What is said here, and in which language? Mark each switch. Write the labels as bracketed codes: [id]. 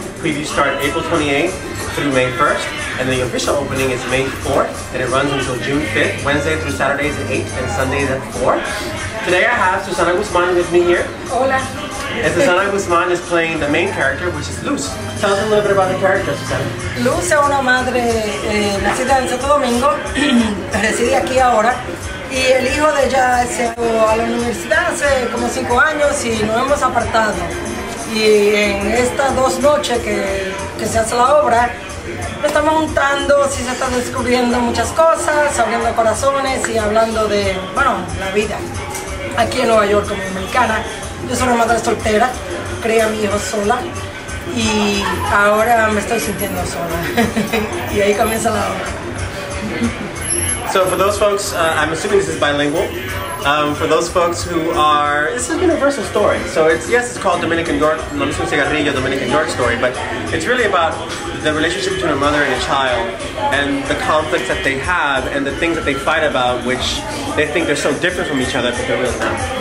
[en] Previews start April 28th through May 1st, and the official opening is May 4th, and it runs until June 5th, Wednesday through Saturdays at 8, and Sundays at 4. Today I have Susana Guzman with me here. [es] Hola. [en] And Susana Guzman is playing the main character, which is Luz. Tell us a little bit about the character, Susana. [es] Luz es una madre nacida en Santo Domingo, reside aquí ahora, y el hijo de ella se fue a la universidad hace como 5 años y nos hemos apartado. Y en estas 2 noches que se hace la obra, nos estamos juntando, sí se están descubriendo muchas cosas, abriendo corazones y hablando de, bueno, la vida aquí en Nueva York como dominicana. Yo soy una madre soltera, crié a mi hijo sola y ahora me estoy sintiendo sola. Y ahí comienza la obra. [en] So for those folks, I'm assuming this is bilingual. For those folks who are, it's a universal story. So it's, yes, it's called Dominican York, La Luz de un Cigarrillo, Dominican York story, but it's really about the relationship between a mother and a child and the conflicts that they have and the things that they fight about, which they think they're so different from each other, but they're really not.